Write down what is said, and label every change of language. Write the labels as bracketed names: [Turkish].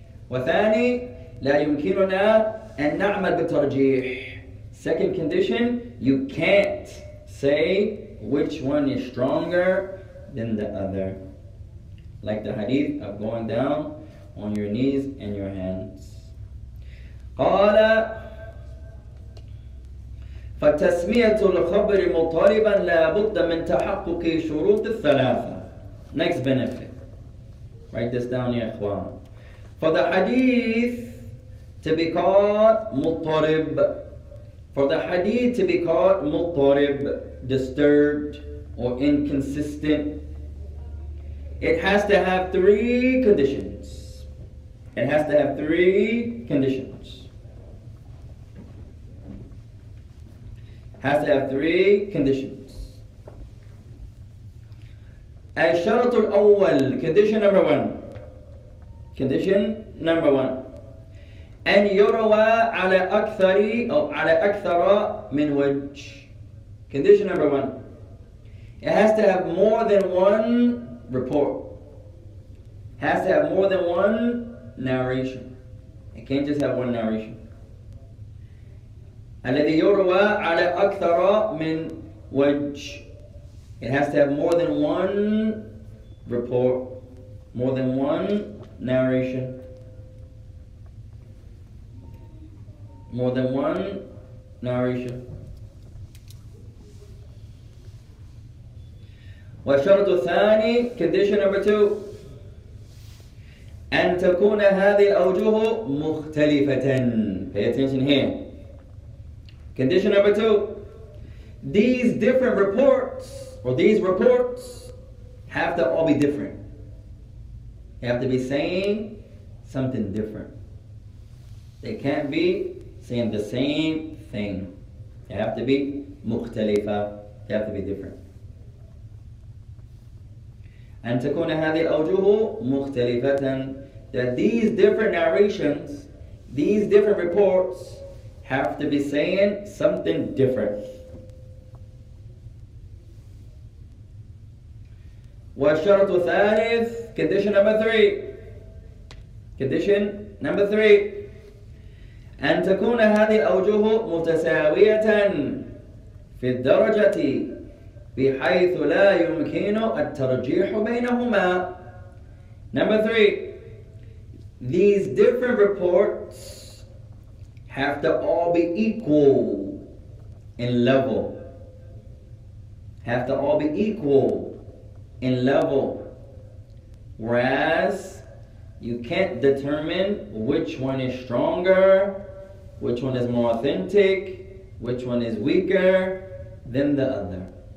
[Arabic] Wathani, لا يمكننا أن نعمل بالترجيح. [English] Second condition, you can't say which one is stronger than the other. Like the hadith of going down on your knees and your hands. [Arabic] قال فتسمية الخبر مطالبا لا بد من تحقق شروط الثلاثة. [English] Next benefit. Write this down, [Arabic] يا إخوان. [English] For the hadith to be called muttarib, for the hadith to be called muttarib, disturbed or inconsistent, it has to have three conditions. It has to have three conditions. Has to have three conditions. [Arabic] الشرط الأول, [English] condition number one. Condition number one. [Arabic] أن يروى على أكثر أو على أكثر من وجه. [English] Condition number one. It has to have more than one report. Has to have more than one narration. It can't just have one narration. [Arabic] الذي يروى على أكثر من وجه. [English] It has to have more than one report. More than one narration. More than one narration. [Arabic] وشرط الثاني, [English] condition number two. [Arabic] أن تكون هذه الأوجه مختلفة. [English] Pay attention here. Condition number two. These different reports, or these reports, have to all be different. They have to be saying something different. They can't be saying the same thing. They have to be [Arabic] مختلفة. [English] They have to be different. [Arabic] أن تكون هذه الأوجه مختلفة. [English] That these different narrations, these different reports, have to be saying something different. [Arabic] والشرط الثالث, [English] condition number three. Condition number three. [Arabic] أن تكون هذه الأوجه متساوية في الدرجة بحيث لا يمكن الترجيح بينهما. [English] Number three. These different reports have to all be equal in level. Have to all be equal in level. Whereas you can't determine which one is stronger, which one is more authentic, which one is weaker than the other.